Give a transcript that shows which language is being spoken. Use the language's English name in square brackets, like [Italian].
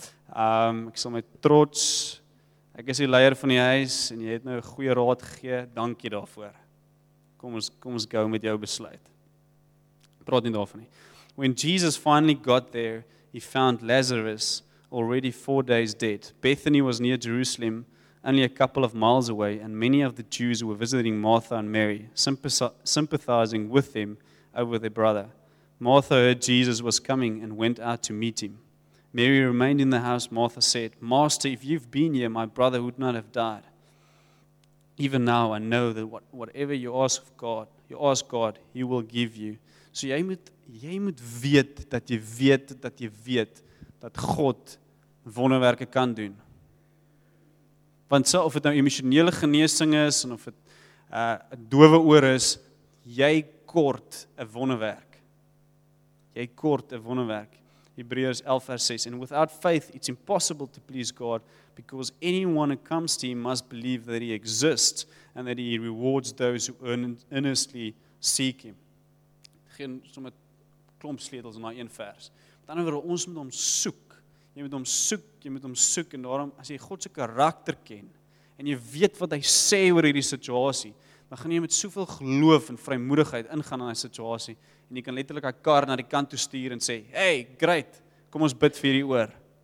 [Afrikaans] Ek sal my trots, ek is die leier van die huis en jy het nou 'n goeie raad gegee. Dankie daarvoor. Kom ons go met jou besluit. Praat nie daarvan nie. [English] When Jesus finally got there, he found Lazarus already 4 days dead. Bethany was near Jerusalem, only a couple of miles away, and many of the Jews were visiting Martha and Mary, sympathizing with them over their brother. Martha heard Jesus was coming and went out to meet him. Mary remained in the house. Martha said, Master, if you've been here, my brother would not have died. Even now I know that whatever you ask of God, you ask God, he will give you. [Afrikaans] So jy moet weet dat jy weet dat jy weet dat God wonderwerke kan doen. Want so of dit nou emosionele genesing is en of dit 'n dowe oor is, jy kort 'n wonderwerk. Jy kort 'n wonderwerk. Hebreërs 11 vers 6, [English] and without faith it's impossible to please God because anyone who comes to him must believe that he exists and that he rewards those who earnestly seek him. [Afrikaans] Geen sommer klomp sleutels in daai een vers. Met ander woorde, ons moet hom soek. Jy moet hom soek en daarom as jy God se karakter ken en jy weet wat hy sê oor hierdie situasie, dan gaan jy met soveel geloof en vrymoedigheid ingaan in daai situasie en jy kan letterlik 'n kar na die kant toe stuur en sê, [English] "Hey, great, [Afrikaans] kom ons bid vir hierdie oor."